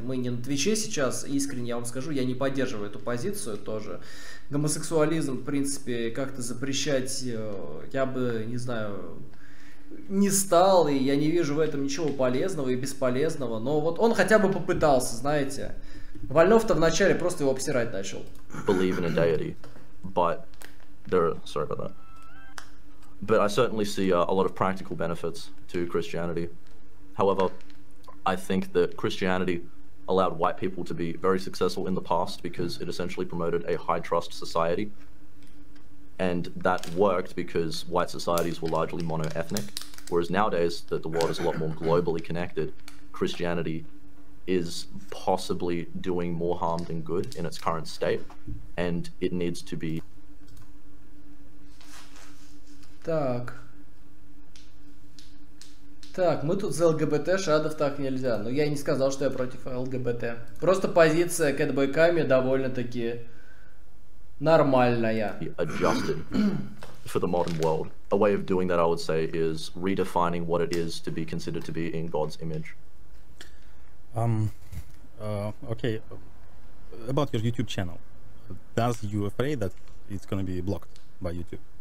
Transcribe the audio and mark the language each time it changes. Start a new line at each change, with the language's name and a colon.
Russian: Мы не на Твиче сейчас, искренне я вам скажу, я не поддерживаю эту позицию тоже. Гомосексуализм, в принципе, как-то запрещать, я бы, не знаю, не стал, и я не вижу в этом ничего полезного и бесполезного. Но вот он хотя бы попытался, знаете... Вольнов-то вначале просто его обсирать начал.
English: Believe in a deity, but there are, sorry about that. But I certainly see a lot of practical benefits to Christianity. However, I think that Christianity allowed white people to be very successful in the past because it essentially promoted a high trust society. And that worked because white societies were largely mono-ethnic. Whereas nowadays, that the world is a lot more globally connected, Christianity is possibly doing more harm than good in its current state, and it needs to be.
Russian: Так. Так, мы тут за ЛГБТ, шадов так нельзя. Но я не сказал, что я против ЛГБТ. Просто позиция Кэтбой Камми довольно-таки нормальная.
English: Adjusted for the modern world. A way of doing that, I would say, is redefining what it is to be considered to be in God's image. Okay, about your YouTube channel, does you afraid that it's gonna be blocked by YouTube?